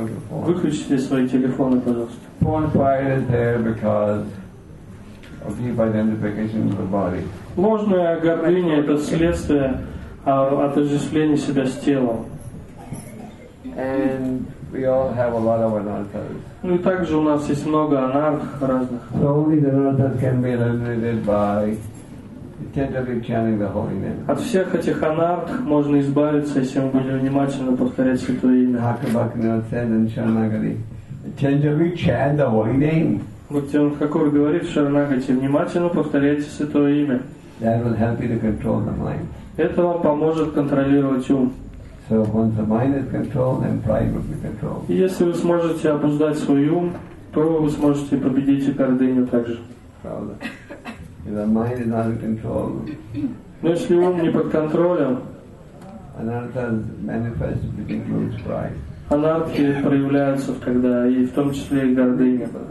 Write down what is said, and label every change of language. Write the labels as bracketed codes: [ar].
[ru] выключите свои телефоны, пожалуйста. [en] False pride is there because of deep identification with the body. [ru] Ложная гордыня — это следствие отождествления себя с телом. [en] And we all have a lot of anarthas. [ru] Ну и также у нас есть много анарх разных. [en] So only the anarthas can be eliminated by tentatively chanting the holy name. [ru] От всех этих анарх можно избавиться, если мы будем внимательно повторять святое имя. [en] Thakur Bhaktivinoda said in Shanagati, tentatively chant the holy name. [ru] Бхактивинода Тхакур говорит в Шаранагати, внимательно повторяйте святое имя. [en] That will help you to control the mind. [ru] Это вам поможет контролировать ум. [en] So once the mind is controlled, then pride will be controlled. [ru] Если вы сможете обуздать свой ум, то вы сможете победить и гордыню также. Правда. [en] If the mind is not in control. [ru] Но если ум не под контролем, [en] anarthas manifest, which includes pride. [ru] Анархи проявляются, когда и в том числе и гордыня.